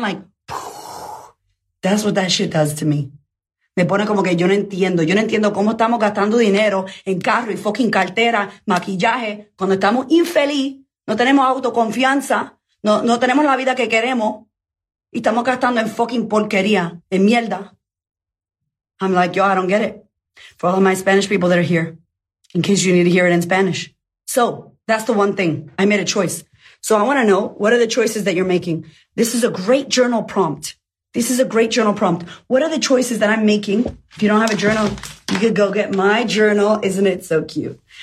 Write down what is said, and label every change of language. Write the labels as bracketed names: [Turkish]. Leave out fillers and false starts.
[English] Like, that's what that shit does to me. [Spanish] Me pone como que yo no entiendo cómo estamos gastando dinero en carro y fucking cartera, maquillaje, cuando estamos infeliz, no tenemos autoconfianza, no tenemos la vida que queremos, y estamos gastando en fucking porquería, en mierda. [English] I'm like, yo, I don't get it. for all of my Spanish people that are here, in case you need to hear it in Spanish. So that's the one thing. I made a choice. So I want to know, what are the choices that you're making? This is a great journal prompt. This is a great journal prompt. What are the choices that I'm making? If you don't have a journal, you could go get my journal. Isn't it so cute?